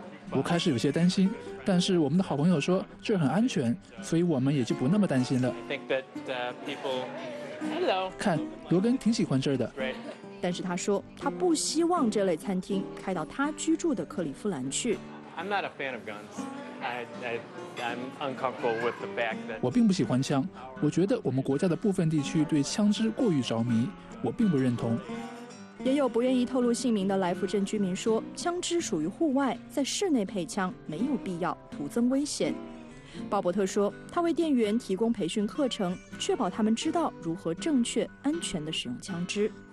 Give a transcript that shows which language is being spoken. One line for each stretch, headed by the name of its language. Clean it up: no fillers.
Chinese: 我开始有些担心，但是我们的好朋友说这很安全，所以我们也就不那么担心了。
English: I think that, people...
Chinese: 看，罗根挺喜欢这儿的。但是他说他不希望这类餐厅开到他居住的克利夫兰去。
English: I'm not a fan of guns. I'm uncomfortable with the fact that...
Chinese: 我并不喜欢枪，我觉得我们国家的部分地区对枪支过于着迷，我并不认同。也有不愿意透露姓名的来福镇居民说，枪支属于户外，在室内配枪没有必要，徒增危险。鲍伯特说，他为店员提供培训课程，确保他们知道如何正确、安全地使用枪支。